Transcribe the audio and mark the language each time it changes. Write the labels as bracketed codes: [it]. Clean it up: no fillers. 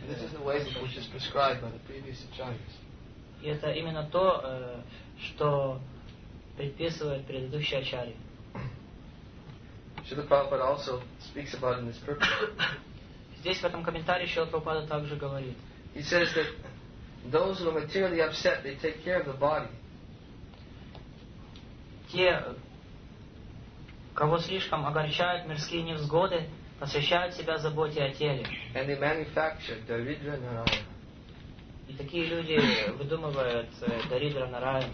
[en] This is the way which is prescribed by the previous acharyas. [ru] И это именно то, что предписывает предыдущий ачарья. [en] Srila Prabhupada also speaks about in this purport. [ru] Здесь в этом комментарии Шрила Прабхупада также говорит. [en] He says that Those who are materially upset, they take care of the body. [ru] Те, кого слишком огорчают мирские невзгоды, посвящают себя заботе о теле. [en] And they manufacture Daridra Narayana. [ru] И такие люди выдумывают Даридра Нараяна.